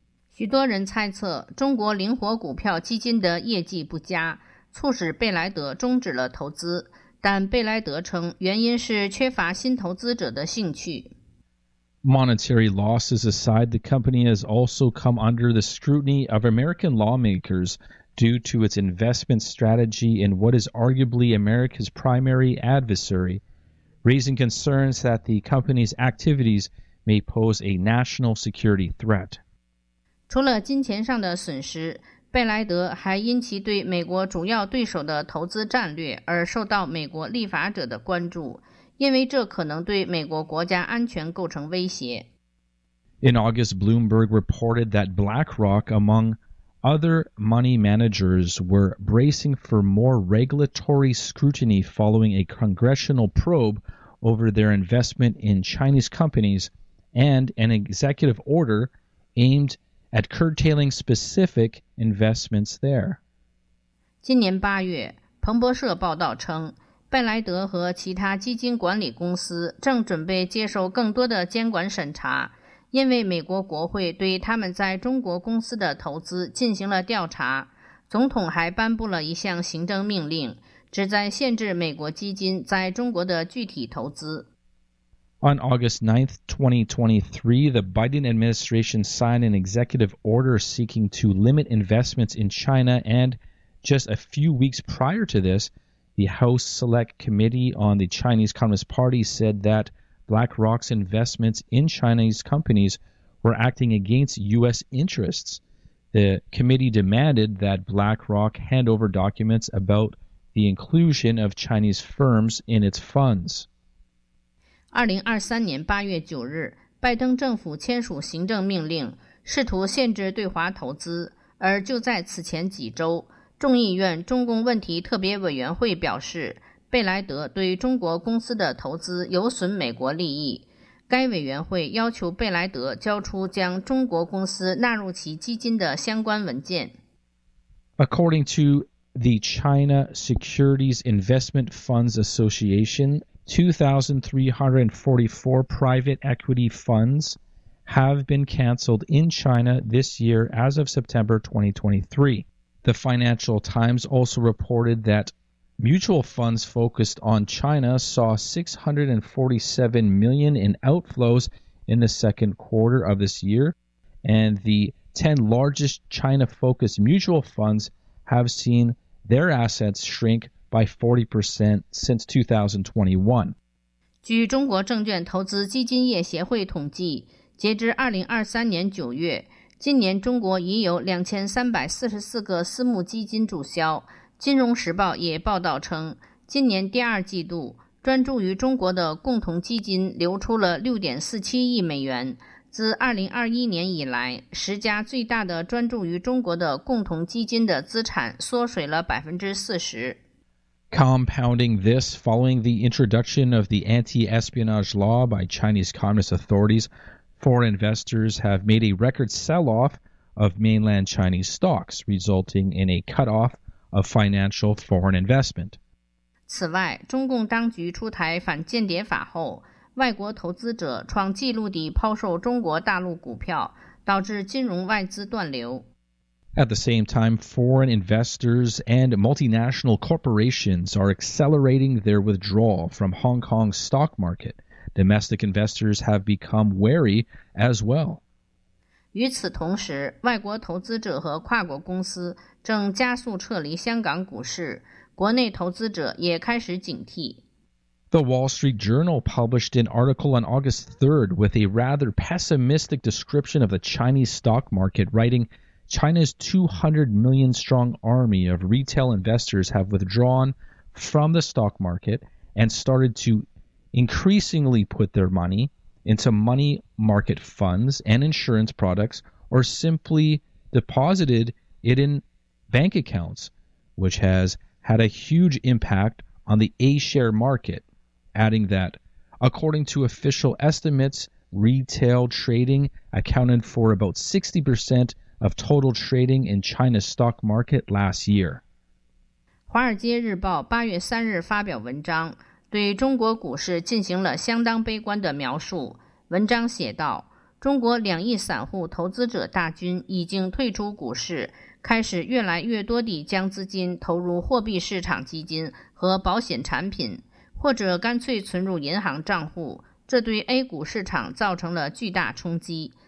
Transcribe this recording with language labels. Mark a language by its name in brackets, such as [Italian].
[Chinese] 许多人猜测中国灵活股票基金的业绩不佳，促使贝莱德终止了投资，但贝莱德称原因是缺乏新投资者的兴趣。 [English] Monetary losses aside, the company has also come under the scrutiny of American lawmakers due to its investment strategy in what is arguably America's primary adversary, raising concerns that the company's activities may pose a national security threat. [Chinese] 除了金钱上的损失，贝莱德还因其对美国主要对手的投资战略而受到美国立法者的关注，因为这可能对美国国家安全构成威胁。 [English] In August, Bloomberg reported that BlackRock, among other money managers, were bracing for more regulatory scrutiny following a congressional probe over their investment in Chinese companies and an executive order aimed at curtailing specific investments there. [Chinese] 今年八月，彭博社报道称，贝莱德和其他基金管理公司正准备接受更多的监管审查，因为美国国会对他们在中国公司的投资进行了调查。总统还颁布了一项行政命令，旨在限制美国基金在中国的具体投资。 [English] On August 9, 2023, the Biden administration signed an executive order seeking to limit investments in China, and just a few weeks prior to this, the House Select Committee on the Chinese Communist Party said that BlackRock's investments in Chinese companies were acting against U.S. interests. The committee demanded that BlackRock hand over documents about the inclusion of Chinese firms in its funds. [Chinese] 2023年8月9日，拜登政府签署行政命令，试图限制对华投资。而就在此前几周，众议院中共问题特别委员会表示，贝莱德对中国公司的投资有损美国利益。该委员会要求贝莱德交出将中国公司纳入其基金的相关文件。 [English] According to the China Securities Investment Funds Association, 2,344 private equity funds have been canceled in China this year as of September 2023. The Financial Times also reported that mutual funds focused on China saw $647 million in outflows in the second quarter of this year, and the 10 largest China-focused mutual funds have seen their assets shrink by 40% since 2021. [Chinese] 据中国证券投资基金业协会统计，截至2023年9月，今年中国已有2344个私募基金注销。金融时报也报道称，今年第二季度，专注于中国的共同基金流出了$6.47亿，自2021年以来，十家最大的专注于中国的共同基金的资产缩水了40%。 [English] Compounding this, following the introduction of the anti-espionage law by Chinese communist authorities, foreign investors have made a record sell-off of mainland Chinese stocks, resulting in a cut-off of financial foreign investment. [Chinese] 此外，中共当局出台反间谍法后，外国投资者创纪录地抛售中国大陆股票，导致金融外资断流。 [English] At the same time, foreign investors and multinational corporations are accelerating their withdrawal from Hong Kong's stock market. Domestic investors have become wary as well. [Chinese] 与此同时，外国投资者和跨国公司正加速撤离香港股市，国内投资者也开始警惕。 [English] The Wall Street Journal published an article on August 3rd with a rather pessimistic description of the Chinese stock market, writing, China's 200 million strong army of retail investors have withdrawn from the stock market and started to increasingly put their money into money market funds and insurance products, or simply deposited it in bank accounts, which has had a huge impact on the A-share market, adding that, according to official estimates, retail trading accounted for about 60% of total trading in China's stock market last year. [Chinese] 华尔街日报8月3日发表文章，对中国股市进行了相当悲观的描述。文章写道，中国两亿散户投资者大军已经退出股市，开始越来越多地将资金投入货币市场基金和保险产品，或者干脆存入银行账户，这对 A 股市场造成了巨大冲击。